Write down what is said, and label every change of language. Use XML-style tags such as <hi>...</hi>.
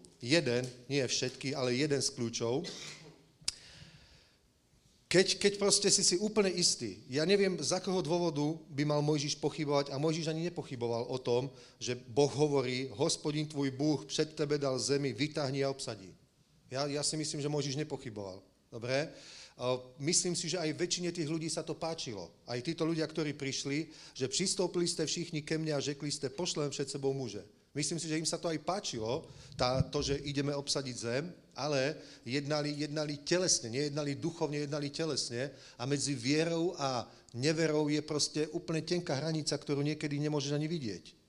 <sk>Jeden, nie všetky, ale jeden z kľúčov. Keď proste si úplne istý, ja neviem, z akého dôvodu by mal Mojžiš pochybovať a Mojžiš ani nepochyboval o tom, že Boh hovorí,</sk> <cs>Hospodin tvoj Búh pred tebe dal zemi, vytáhni a obsadí.</cs> <sk>Ja si myslím, že Mojžiš nepochyboval. Dobre? Myslím si, že aj väčšine tých ľudí sa to páčilo. Aj títo ľudia, ktorí prišli, že</sk> <cs>pristúpili ste všichni ke mne a řekli ste, pošlem pred sebou muže.</cs> <sk>Myslím si, že im sa to aj páčilo, to, že ideme obsadiť zem, ale jednali telesne, nejednali duchovne, jednali telesne a medzi vierou a neverou je proste úplne tenká hranica, ktorú niekedy nemôžeš ani vidieť.</sk>